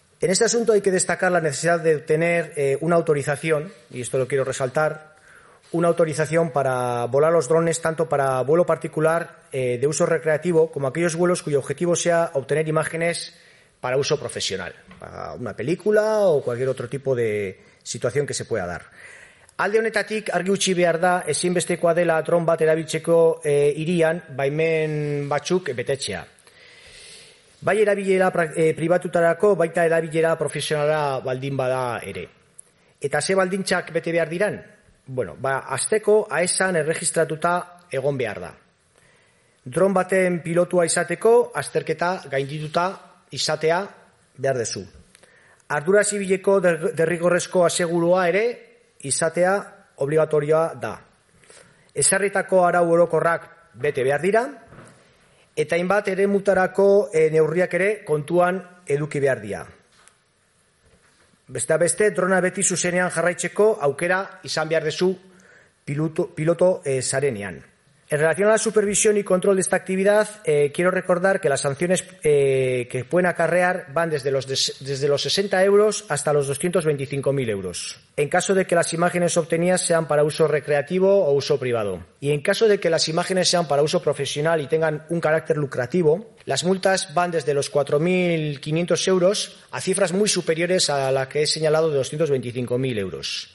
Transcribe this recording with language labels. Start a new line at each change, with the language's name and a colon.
Spanish: En este asunto hay que destacar la necesidad de obtener una autorización, y esto lo quiero resaltar, una autorización para volar los drones tanto para vuelo particular de uso recreativo como aquellos vuelos cuyo objetivo sea obtener imágenes para uso profesional, para una película o cualquier otro tipo de situación que se pueda dar.
Basque: Alde honetatik argi utzi behar da ezinbestekoa dela drone bat erabiltzeko irian baimen batzuk betetzea. Bai erabilera pribatutarako, baita erabilera profesionala baldin bada ere. Eta ze baldintzak bete behar diran? Bueno, ba, azteko AESAN erregistratuta egon behar da. Drone baten pilotua izateko, azterketa gaindituta izatea behar dezu. Ardura zibileko derrigorrezko asegurua ere izatea obligatorioa da. Ezarritako arau orokorrak bete behar dira, eta hainbat ere mutarako neurriak ere kontuan eduki behar dira. Beste, drona beti zuzenean jarraitzeko aukera izan behar dezu piloto zarenean.
Spanish: En relación a la supervisión y control de esta actividad, quiero recordar que las sanciones que pueden acarrear van desde los 60 euros hasta los 225.000 euros, en caso de que las imágenes obtenidas sean para uso recreativo o uso privado. Y en caso de que las imágenes sean para uso profesional y tengan un carácter lucrativo, las multas van desde los 4.500 euros a cifras muy superiores a la que he señalado de 225.000 euros.